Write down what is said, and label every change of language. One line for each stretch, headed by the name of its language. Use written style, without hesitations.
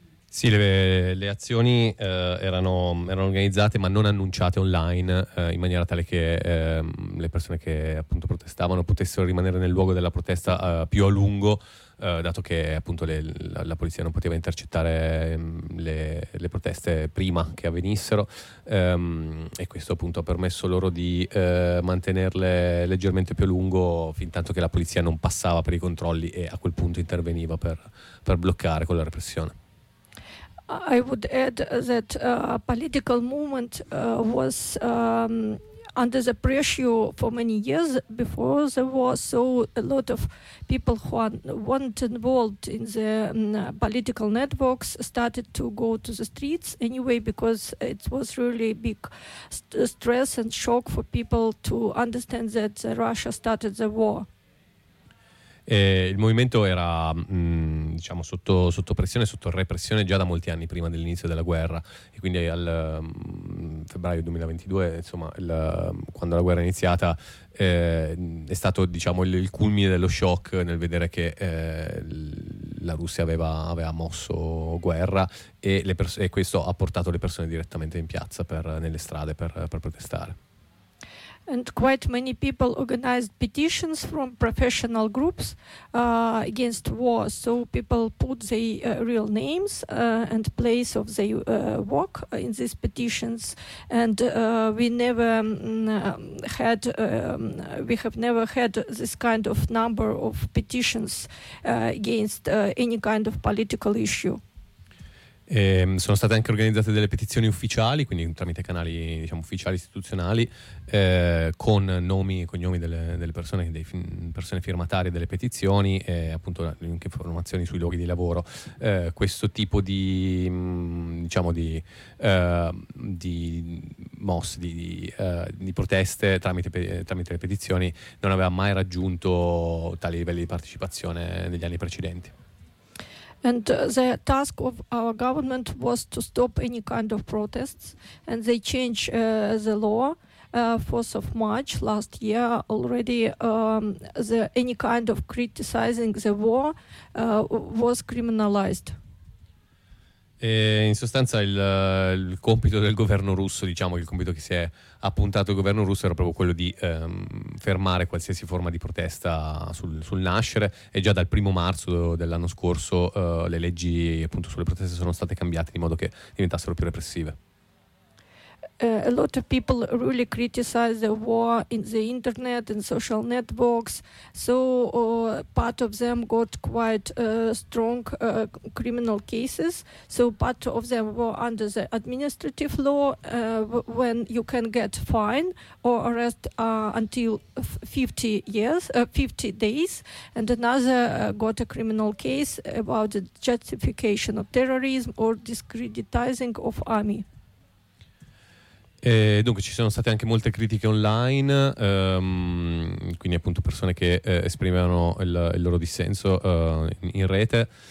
Italian: Sì, le azioni erano organizzate ma non annunciate online in maniera tale che le persone che appunto protestavano potessero rimanere nel luogo della protesta più a lungo, dato che appunto la polizia non poteva intercettare le proteste prima che avvenissero, e questo appunto ha permesso loro di mantenerle leggermente più a lungo, fin tanto che la polizia non passava per i controlli e a quel punto interveniva per bloccare con la repressione.
English: I would add that political movement was under the pressure for many years before the war, so a lot of people who weren't involved in the political networks started to go to the streets anyway, because it was really big stress and shock for people to understand that Russia started the war.
Italian: Il movimento era diciamo sotto pressione, sotto repressione già da molti anni prima dell'inizio della guerra, e quindi al febbraio 2022, insomma, quando la guerra è iniziata, è stato diciamo il culmine dello shock nel vedere che la Russia aveva mosso guerra, e questo ha portato le persone direttamente in piazza, nelle strade per protestare.
English: And quite many people organized petitions from professional groups against war. So people put their real names and place of their work in these petitions. And we have never had this kind of number of petitions against any kind of political issue.
Italian: Sono state anche organizzate delle petizioni ufficiali, quindi tramite canali diciamo ufficiali, istituzionali, con nomi e cognomi delle persone, persone firmatarie delle petizioni, e appunto anche informazioni sui luoghi di lavoro. Questo tipo di diciamo di mosse di proteste tramite le petizioni non aveva mai raggiunto tali livelli di partecipazione negli anni precedenti.
English: And the task of our government was to stop any kind of protests, and they changed the law 4th of March last year already. Any kind of criticizing the war was criminalized.
Italian: In sostanza il compito del governo russo, diciamo che il compito che si è appuntato il governo russo era proprio quello di fermare qualsiasi forma di protesta sul nascere, e già dal 1 marzo dell'anno scorso le leggi appunto sulle proteste sono state cambiate di modo che diventassero più repressive.
English: A lot of people really criticize the war in the internet and social networks. So part of them got quite strong criminal cases. So part of them were under the administrative law when you can get fine or arrest until 50 days. And another got a criminal case about the justification of terrorism or discreditizing of army.
Italian: E dunque ci sono state anche molte critiche online, quindi appunto persone che esprimevano il loro dissenso in rete.